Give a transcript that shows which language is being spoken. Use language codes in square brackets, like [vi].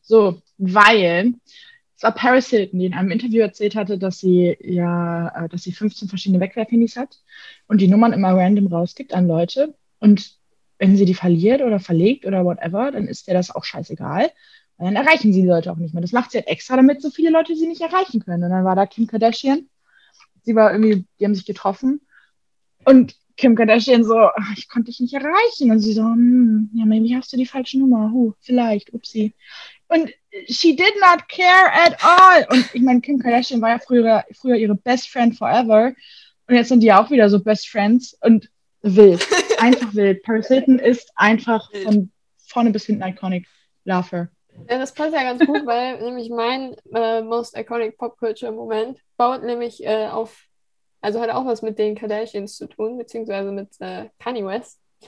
[de] So, weil es war Paris Hilton, die in einem Interview erzählt hatte, dass sie 15 verschiedene Wegwerfhandys hat und die Nummern immer random rausgibt an Leute und wenn sie die verliert oder verlegt oder whatever, dann ist ihr das auch scheißegal. Dann erreichen sie die Leute auch nicht mehr. Das macht sie halt extra, damit so viele Leute sie nicht erreichen können. Und dann war da Kim Kardashian. Sie war irgendwie, die haben sich getroffen. Und Kim Kardashian so, ich konnte dich nicht erreichen. Und sie so, ja, maybe hast du die falsche Nummer. Huh, vielleicht, upsi. [en] Und she did not care at all. [de] Und ich meine, Kim Kardashian war ja früher ihre best friend forever. Und jetzt sind die auch wieder so best friends. Und wild, einfach wild. Paris Hilton ist einfach von vorne bis hinten iconic. Love her. Ja, das passt ja ganz gut, weil nämlich mein most iconic Pop-Culture-Moment baut nämlich auf, also hat auch was mit den Kardashians zu tun, beziehungsweise mit Kanye West.